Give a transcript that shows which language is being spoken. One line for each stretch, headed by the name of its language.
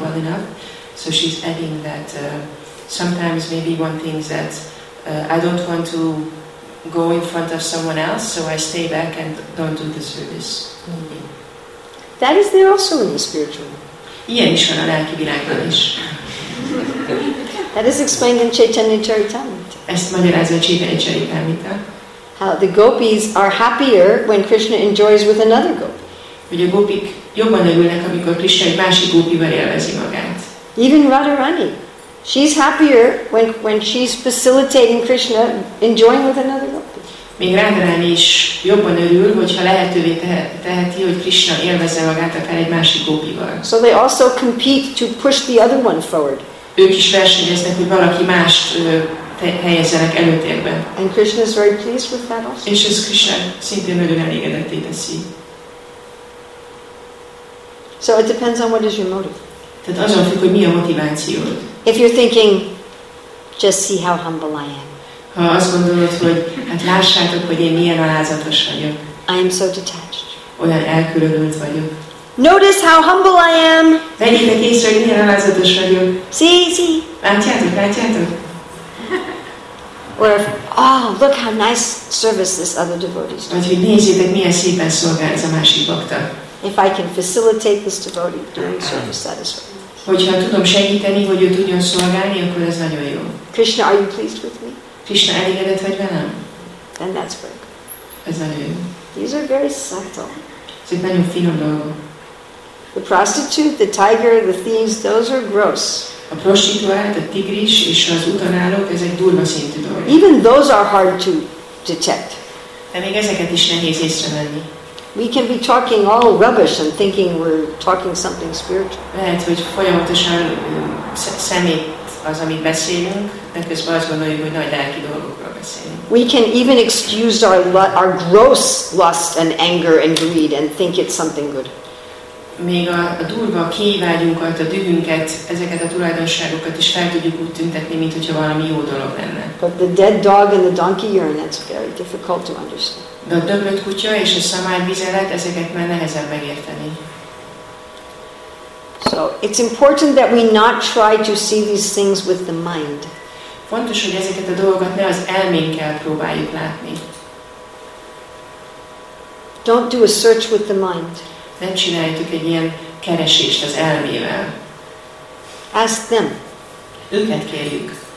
English: Well enough, so she's adding that sometimes maybe one thing is that I don't want to go in front of someone else, so I stay back and don't do the service. Mm-hmm. That is there also in the spiritual.
Hungarian: Ilyen is van a lelki világban is.
English: That is explained in Chaitanya Charitamrita.
Hungarian: Ezt magyarázza a Chaitanya Charitamrita.
English: How the gopis are happier when Krishna enjoys with another gopi.
Hungarian: A gopik jobban örülnek, amikor Krishna egy másik gópival élvezi magát.
English: Even Radharani. She's happier when she's facilitating Krishna enjoying with another gopi.
Hungarian: Még Radharani is jobban örül, hogyha lehetővé teheti, hogy Krishna élvezze magát akár egy másik gópival.
English: So they also compete to push the other one forward.
Hungarian: Ők is versenyeznek, hogy valaki mást helyezzenek előtérbe.
English: And Krishna is very pleased with that also.
Hungarian: És ez Krishna szintén nagyon elégedetté teszi.
English: So it depends on what is your motive.
Hungarian: Tehát azon függ, hogy mi a motivációd.
English: If you're thinking, just see how humble I am.
Hungarian: Ha azt gondolod, hogy hát lássátok, hogy én milyen alázatos vagyok.
English: I am so detached.
Hungarian: Olyan elkülönült vagyok.
English: Notice how humble I am.
Hungarian: Vegyétek észre, hogy milyen alázatos vagyok.
English: See.
Hungarian: Látjátok.
English: Or, oh, look how nice service this other devotee is doing.
Hungarian: Vagy hogy nézzétek, milyen szépen szolgál ez a másik bakta.
English: If I can facilitate this devotee doing service, that is right.
Hungarian: Hogyha tudom segíteni, hogy ő tudjon szolgálni, akkor ez nagyon jó.
English: Krishna, are you pleased with me?
Hungarian: Krishna, elégedett vagy velem?
English: Then that's very good.
Hungarian: Ez nagyon jó.
English: These are very subtle.
Hungarian: Ez egy nagyon finom dolgok.
English: The prostitute, the tiger, the thieves, those are gross.
Hungarian: A prostituált, a tigris és az utanállók, ez egy durva szintű dolog.
English: Even those are hard to detect.
Hungarian: De még ezeket is nehéz észrevenni.
English: We can be talking all rubbish and thinking we're talking something spiritual.
Hungarian: Lehet, hogy folyamatosan szemét az, amit beszélünk, de közben azt gondoljuk, hogy nagy lelki dolgokról beszélünk.
English: We can even excuse our gross lust and anger and greed and think it's something good.
Hungarian: Még a durva kívágyunkat, a dühünket, ezeket a tulajdonságokat is fel tudjuk úgy tüntetni, mint hogyha valami jó dolog lenne.
English: But the dead dog and the donkey urine, that's very difficult to understand.
Hungarian: De a döglött kutya és a szamár vizelet, ezeket már nehezebb megérteni.
English: So it's important that we not try to see these things with the mind.
Hungarian: Fontos, hogy ezeket a dolgokat ne az elménkkel próbáljuk látni.
English: Don't do a search with the mind.
Hungarian: Nem csináljuk egy ilyen keresést az elmével.
English: Ask them.
Hungarian: Őket kérjük.